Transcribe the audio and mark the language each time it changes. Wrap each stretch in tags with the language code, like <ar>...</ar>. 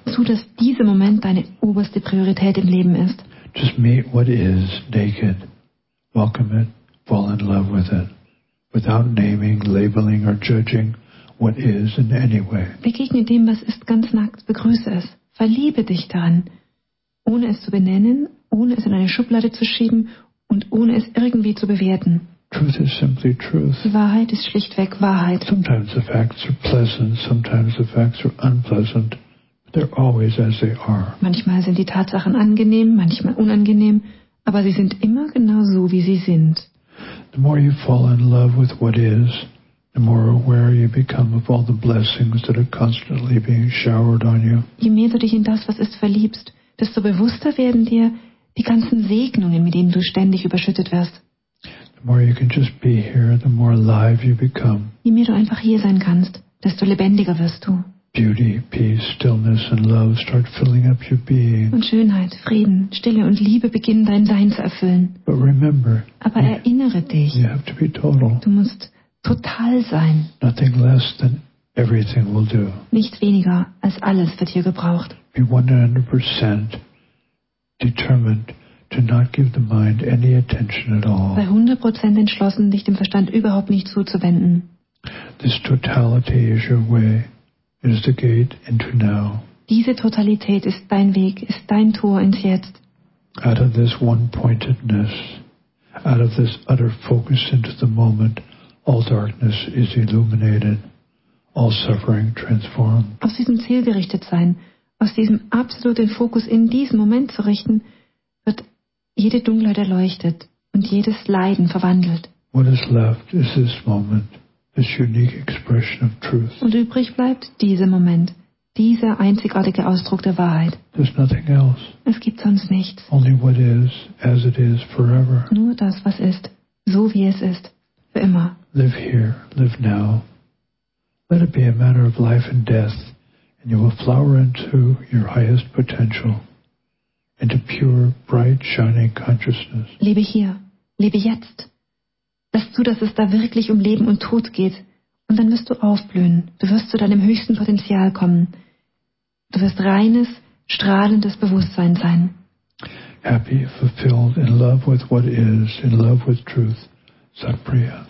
<de>Zu, dass dieser Moment deine oberste Priorität im Leben ist.</de> <en>Just meet what is naked. Welcome it. Fall in love with it. Without naming, labeling or judging what is in any way.</en> <de>Begegne dem, was ist, ganz nackt, begrüße es, verliebe dich daran, ohne es zu benennen, ohne es in eine Schublade zu schieben und ohne es irgendwie zu bewerten.</de> <en>Truth is simply truth.</en> <de>Die Wahrheit ist schlichtweg Wahrheit.</de> <en>Sometimes the facts are pleasant, sometimes the facts are unpleasant. They're always as they are.</en> <de>Manchmal sind die Tatsachen angenehm, manchmal unangenehm, aber sie sind immer genau so, wie sie sind.</de> <en>The more you fall in love with what is, the more aware you become of all the blessings that are constantly being showered on you.</en> <de>Je mehr du dich in das, was ist, verliebst, desto bewusster werden dir die ganzen Segnungen, mit denen du ständig überschüttet wirst.</de> <en>The more you can just be here, the more alive you become.</en> <de>Je mehr du einfach hier sein kannst, desto lebendiger wirst du.</de> <en>Beauty, peace, stillness and love start filling up your being.</en> <de>Und Schönheit, Frieden, Stille und Liebe beginnen dein Sein zu erfüllen.</de> <en>But remember,</en> <de>aber erinnere dich,</de> <en>you have to be total.</en> <de>Du musst total sein.</de> <en>Nothing less than everything will do.</en> <de>Nichts weniger als alles wird hier gebraucht.</de> <en>Be 100% determined to not give the mind any attention at all.</en> <de>Sei 100% entschlossen, dich dem Verstand überhaupt nicht zuzuwenden.</de> <en>This totality is your way. It is the gate into now.</en> <de>Diese Totalität ist dein Weg, ist dein Tor ins Jetzt.</de> <en>Out of this one-pointedness, out of this utter focus into the moment, all darkness is illuminated, all suffering transformed.</en> <de>Aus diesem Ziel gerichtet sein, aus diesem absoluten Fokus in diesen Moment zu richten, wird jede Dunkelheit erleuchtet und jedes Leiden verwandelt.</de> <en>What is left is this moment. This unique expression of truth.</en> <de>Und übrig bleibt dieser Moment, dieser einzigartige Ausdruck der Wahrheit.</de> <en>There's nothing else.</en> <de>Es gibt sonst nichts.</de> <en>Only what is, as it is, forever.</en> <de>Nur das, was ist, so wie es ist, für immer.</de> <en>Live here, live now. Let it be a matter of life and death, and you will flower into your highest potential, into pure, bright, shining consciousness.</en> <de>Lebe hier, lebe jetzt. Lass zu, dass es da wirklich um Leben und Tod geht. Und dann wirst du aufblühen. Du wirst zu deinem höchsten Potenzial kommen. Du wirst reines, strahlendes Bewusstsein sein.</de> <en>Happy, fulfilled, in love with what is, in love with truth, sagt Priya.</en>